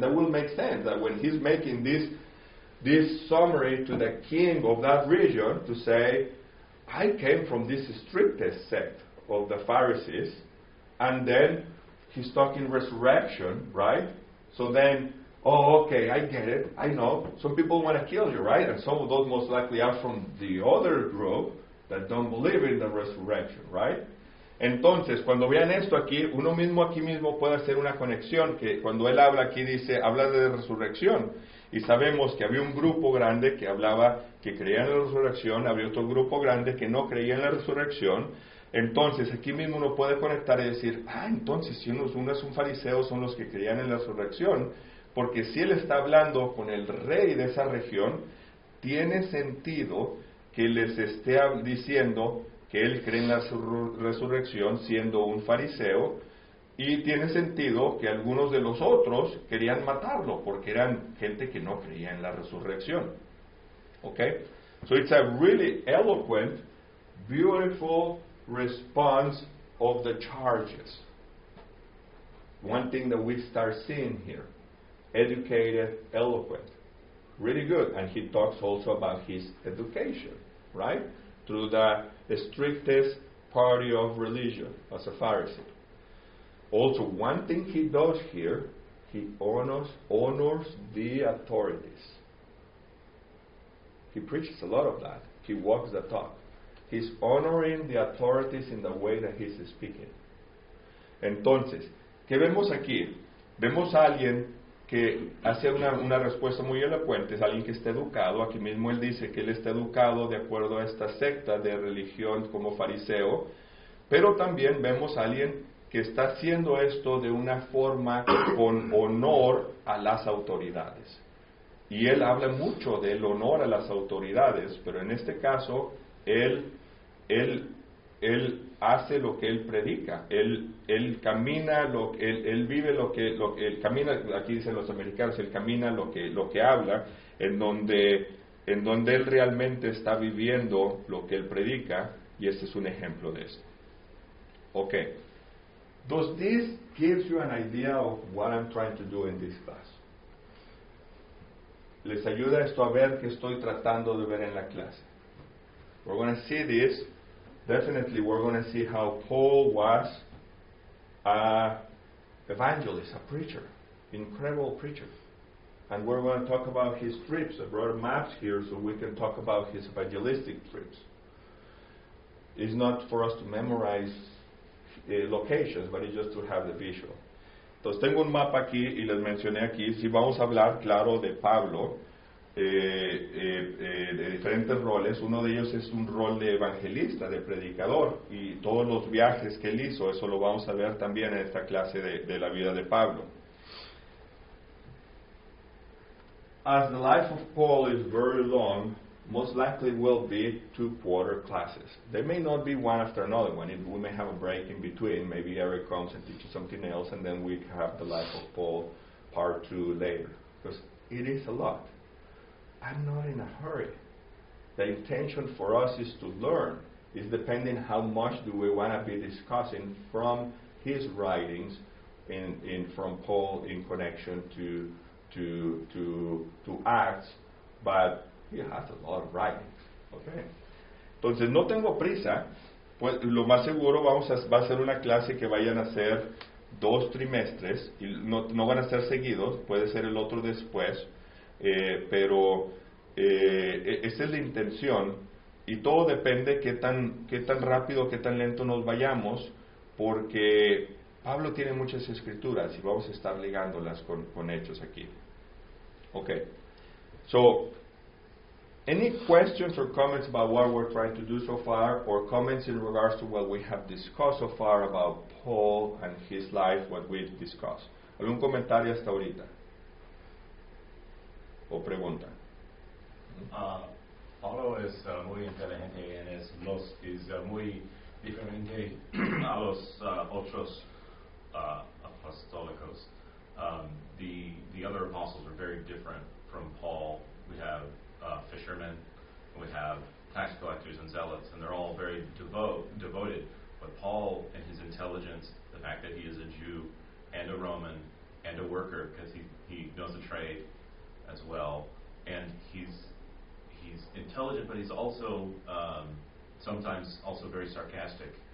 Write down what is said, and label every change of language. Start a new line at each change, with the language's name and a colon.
English: That will make sense, that when he's making this summary to the king of that region to say, I came from this strictest sect of the Pharisees, and then he's talking resurrection, right? So then, oh, okay, I get it, I know. Some people want to kill you, right? And some of those most likely are from the other group that don't believe in the resurrection, right?
Spanish: Entonces, cuando vean esto aquí, uno mismo aquí mismo puede hacer una conexión, que cuando él habla aquí dice, habla de resurrección. Y sabemos que había un grupo grande que hablaba, que creía en la resurrección, había otro grupo grande que no creía en la resurrección. Entonces, aquí mismo uno puede conectar y decir, ah, entonces, si uno es un fariseo, son los que creían en la resurrección. Porque si él está hablando con el rey de esa región, tiene sentido que les esté diciendo que él cree en la resurrección siendo un fariseo, y tiene sentido que algunos de los otros querían matarlo porque eran gente que no creía en la resurrección.
English: Okay? So it's a really eloquent, beautiful response of the charges. One thing that we start seeing here. Educated, eloquent, really good. And he talks also about his education, right? Through the strictest party of religion as a Pharisee. Also, one thing he does here, he honors the authorities. He preaches a lot of that. He walks the talk. He's honoring the authorities in the way that he's speaking.
Spanish: Entonces, ¿qué vemos aquí? Vemos a alguien que hace una respuesta muy elocuente, es alguien que está educado. Aquí mismo él dice que él está educado de acuerdo a esta secta de religión como fariseo, pero también vemos a alguien que está haciendo esto de una forma con honor a las autoridades. Y él habla mucho del honor a las autoridades, pero en este caso él él hace lo que él predica, él camina lo que él vive, lo que él camina, aquí dicen los americanos, él camina lo que habla, en donde él realmente está viviendo lo que él predica, y este es un ejemplo de eso.
English: Okay. Does this give you an idea of what I'm trying to do in this class?
Spanish: ¿Les ayuda esto a ver qué estoy tratando de ver en la clase?
English: We're going to see this. Definitely, we're going to see how Paul was an evangelist, a preacher, incredible preacher. And we're going to talk about his trips. I brought maps here so we can talk about his evangelistic trips. It's not for us to memorize locations, but it's just to have the visual.
Spanish: Entonces, tengo un mapa aquí y les mencioné aquí. Si vamos a hablar, claro, de Pablo, de diferentes roles. Uno de ellos es un rol de evangelista, de predicador. Y todos los viajes que él hizo, eso lo vamos a ver también en esta clase de la vida de Pablo.
English: As the life of Paul is very long, most likely will be two-quarter classes. They may not be one after another one. We may have a break in between. Maybe Eric comes and teaches something else, and then we have the life of Paul part two later. Because it is a lot. I'm not in a hurry. The intention for us is to learn. It's depending how much do we want to be discussing from his writings in from Paul in connection to Acts, but he has a lot of writings.
Spanish: Okay. Entonces, no tengo prisa. Pues, lo más seguro va a ser una clase que vayan a ser dos trimestres y no van a ser seguidos. Puede ser el otro después, pero esa es la intención y todo depende qué tan rápido, qué tan lento nos vayamos, porque Pablo tiene muchas escrituras y vamos a estar ligándolas con hechos aquí.
English: Okay. So, any questions or comments about what we're trying to do so far, or comments in regards to what we have discussed so far about Paul and his life, what we've discussed?
Spanish: ¿Algún comentario hasta ahorita? ¿O pregunta? Pablo es muy inteligente y es muy diferente a los otros apostólicos.
English: The other apostles are very different from Paul. We have fishermen, we have tax collectors and zealots, and they're all very devoted. But Paul, in his intelligence, the fact that he is a Jew and a Roman and a worker, because he knows the trade as well, and he's intelligent, but he's also sometimes also very sarcastic.